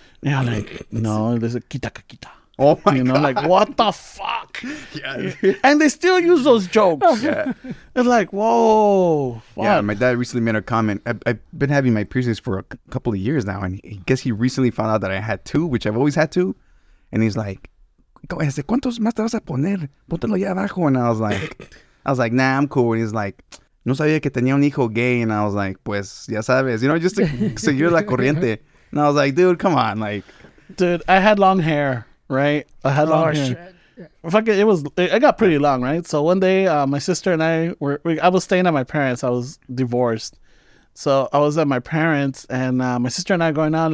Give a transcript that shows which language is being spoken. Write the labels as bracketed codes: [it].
[en] And I'm like, no, there's a kita kakita. Oh my God. You know, God. Like, what the fuck? Yeah. And they still use those jokes. Yeah. It's like, whoa. Fuck. Yeah, my dad recently made a comment. I've been having my piercings for a couple of years now, and I guess he recently found out that I had two, which I've always had two. [es] And he's like, ¿cuántos más te vas a poner? Póntelo allá abajo. [en] And I was like, nah, I'm cool. [es] And he's like, no sabía que tenía un hijo gay. [en] And I was like, [es] pues, ya sabes. [en] You know, just to [es] seguir la corriente. [en] And I was like, dude, come on. Like, dude, I had long hair. Right, I had long hair. Yeah. Fuck it, it got pretty long, right? So one day, my sister and I I was staying at my parents. I was divorced, so I was at my parents, and my sister and I going out.